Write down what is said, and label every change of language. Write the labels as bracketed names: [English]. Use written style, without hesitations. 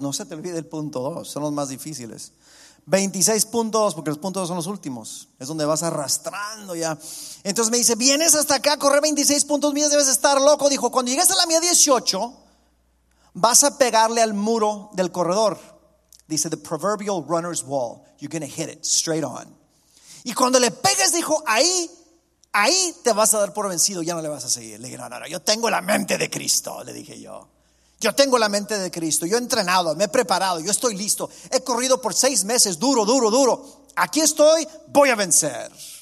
[Spanish] No se te olvide el punto 2. Son los más difíciles. 26.2, porque los puntos 2 son los últimos. Es donde vas arrastrando ya. Entonces me dice: vienes hasta acá a correr 26 puntos mías, debes estar loco. Dijo: cuando llegues a la mía 18, vas a pegarle al muro del corredor. Dice: [English] the proverbial runner's wall. You're gonna hit it straight on. [Spanish] Y cuando le pegues, dijo, ahí, ahí te vas a dar por vencido, ya no le vas a seguir. Le dije: no, yo tengo la mente de Cristo, le dije yo. Yo tengo la mente de Cristo, yo he entrenado, me he preparado, yo estoy listo. He corrido por 6 meses, duro, duro, duro. Aquí estoy, voy a vencer.